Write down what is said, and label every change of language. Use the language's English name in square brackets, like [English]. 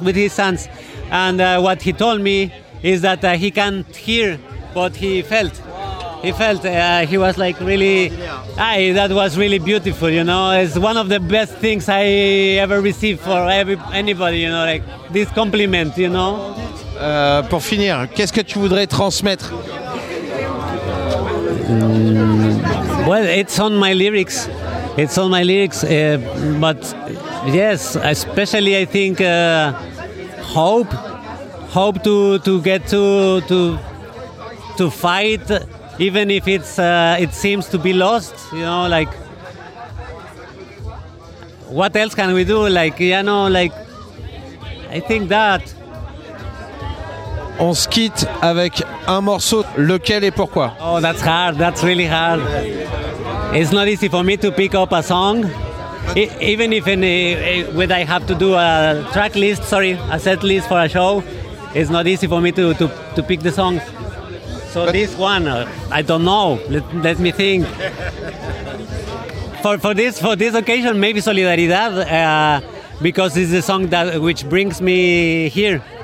[English] And what he told me is that he can't hear, but he felt. He felt, he was like really, that was really beautiful, you know. It's one of the best things I ever received for anybody, you know, like this compliment, you know. [French] Pour finir, qu'est-ce que tu voudrais transmettre? [English] Well, it's on my lyrics. It's on my lyrics. But yes, especially I think hope. Hope to get to fight, even if it's it seems to be lost, you know, like, what else can we do? Like, you know, like, I think that. [French] On se quitte avec un morceau, lequel et pourquoi? [English] Oh, that's hard, that's really hard. It's not easy for me to pick up a song. even if I have to do a track list, sorry, a set list for a show, it's not easy for me to pick the songs. So but this one, I don't know. Let me think. for this occasion, maybe Solidaridad, because it's the song that which brings me here.